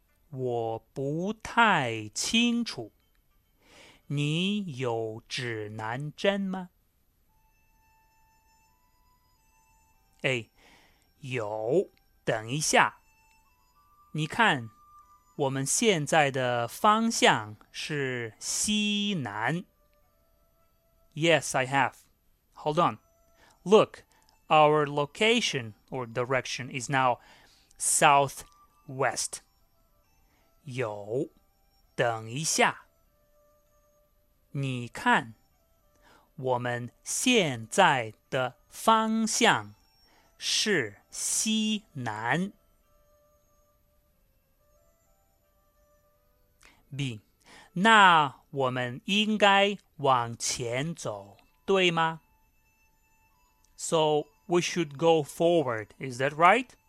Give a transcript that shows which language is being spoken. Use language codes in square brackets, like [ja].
[zh] 我不太清楚.你有指南针吗? A. 有,等一下. 你看, 我们现在的方向是西南. [en] Yes, I have. Hold on. Look, our location or direction is now southwest. [zh] 有,等一下. 你看, 我们现在的方向是西南. B. 那我们应该往前走,对吗? [en] So, we should go forward, is that right?